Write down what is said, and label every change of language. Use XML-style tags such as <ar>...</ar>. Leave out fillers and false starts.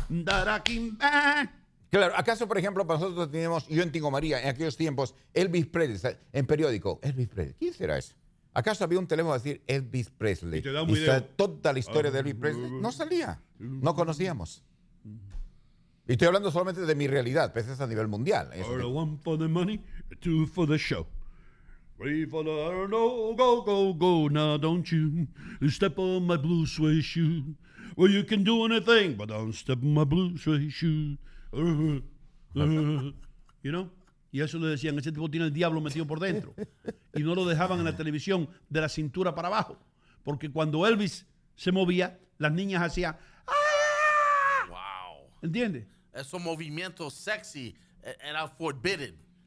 <es>Claro, ¿acaso, por ejemplo, nosotros teníamos, yo en Tingo María, en aquellos tiempos, Elvis Presley, en periódico, Elvis Presley, ¿quién será eso? ¿Acaso había un teléfono a decir Elvis Presley? Y te da toda la historia de Elvis Presley, no salía, no conocíamos. Y estoy hablando solamente de mi realidad, pues es a nivel mundial.</es> <en>One for the money, two for the show. Three for the, I don't know, go, go, go, now don't you step on my blue suede shoe. Well, you can do anything, but don't step in my blue suede shoe. You know?</en> <es>Y eso le decían, ese tipo tiene el diablo metido por dentro. Y no lo dejaban en la televisión de la cintura para abajo. Porque cuando Elvis se movía, las niñas hacían... ¡Ah!</es> <en>Wow.</en> <es>¿Entiendes? Esos movimientos sexy eran forbidden.</es>